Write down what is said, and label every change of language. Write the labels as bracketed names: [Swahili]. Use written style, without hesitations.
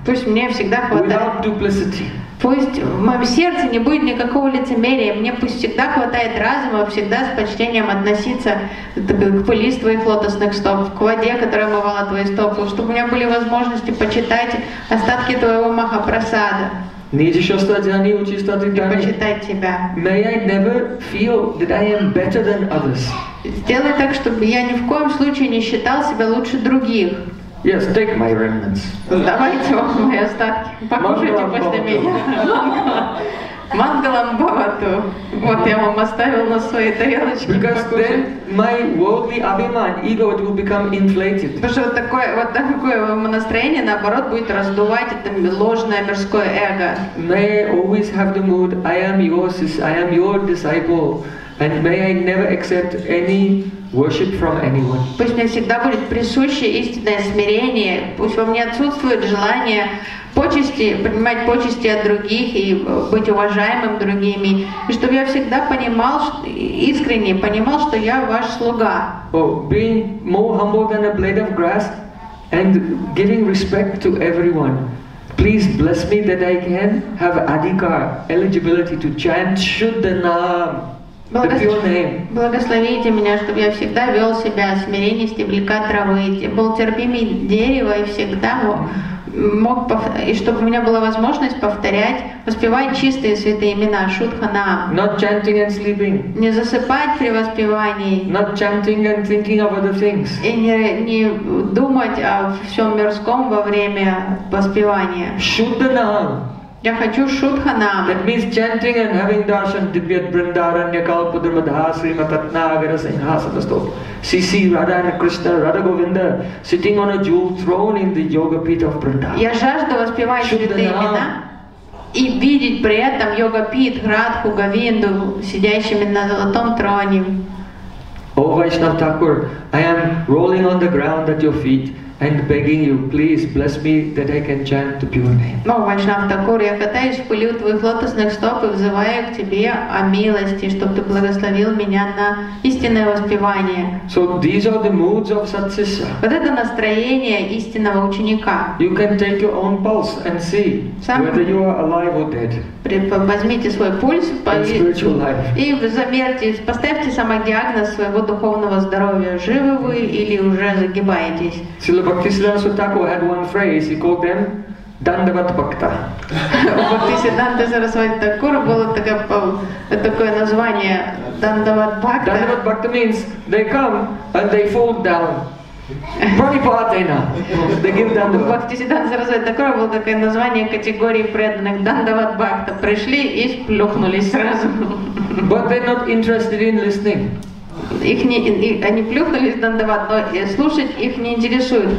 [Russian] Пусть мне всегда хватает. [English] Without duplicity. [Russian] Пусть в моем сердце не будет никакого лицемерия, мне пусть всегда хватает разума, всегда с почтением относиться к пыли с твоих лотосных стоп, к воде, которая омывала твои стопы, чтобы у меня были возможности почитать остатки твоего махапрасада. Нижешостатьяни, учистатьяни. Почитать тебя. [English] May I never feel that I am better than others. [Russian] Сделай так, чтобы я ни в коем случае не считал себя лучше других. [English] Yes, take my remnants. [Russian] Давайте вам мои остатки. Покушайте после меня. [Sanskrit] Мангалам бхавату. [Russian] Вот я вам оставил на своей тарелочке. [English] Because then my worldly abhiman, ego, it will become inflated. [Russian] Потому что вот такое настроение, наоборот, будет раздувать это ложное мирское эго. [English] May I always have the mood, I am your disciple. And may I never accept any worship from anyone. [Russian] Пусть мне всегда будет присуще истинное смирение. Пусть во мне отсутствует желание почести, принимать почести от других и быть уважаемым другими. И чтобы я всегда понимал, искренне понимал, что я ваш слуга. [English] Oh, being more humble than a blade of grass and giving respect to everyone. Please bless me that I can have adhikar, eligibility to chant Shuddhanam. [Russian] Благословите меня, чтобы я всегда вел себя смирение стебелька травы, был терпимый дерево и всегда мог и чтобы у меня была возможность повторять, воспевать чистые святые имена Шудхана. [English] Not chanting and sleeping. [Russian] Не засыпать при воспевании. [English] Not chanting and thinking of other things. [Russian] И не думать о всем мирском во время воспевания. Шудхана. Я хочу шудханам. [English] That means chanting and having darshan, [Sanskrit] divya brindaranya kalpudrama dhasrima tatna agara sinhasana stop. [English] Sisi Radhana Krishna Radha Govinda sitting on a jewel throne in the yoga pit of Vrindavan. [Russian] Я жажду воспевать святые имена и видеть при этом йога пит Радху Говинду сидящими на золотом троне. [English] Oh Vaishnav Thakur, I am rolling on the ground at your feet. And begging you, please bless me that I can chant the pure name. [Russian] О, Вайшнав Такур, я катаюсь в пыли у твоих лотосных стоп и взываю к тебе о милости, чтобы ты благословил меня на истинное воспевание. [English] So these are the moods of satsisya. [Russian] Вот это настроение истинного ученика. [English] You can take your own pulse and see whether you are alive or dead. [Russian] Возьмите свой пульс и замерьте, поставьте самодиагноз своего духовного здоровья. Живы вы или уже загибаетесь? [English] Srila Bhaktisiddhanta Sarasvati had one phrase, he called them Dandavat Bhakta. [Russian] Bhaktisiddhanta Sarasvati Thakur было такое название Dandavat Bhakta. [English] Dandavat Bhakta means they come and they fall down. [Sanskrit] Пранипатена. [Russian] Бхактисиддханта Сарасвати Такура было такое название категории преданных Дандават Бхакта. Пришли и плюхнулись сразу. [English] But they're not interested in listening. [Russian] Они плюхнулись в Дандават, но слушать их не интересует.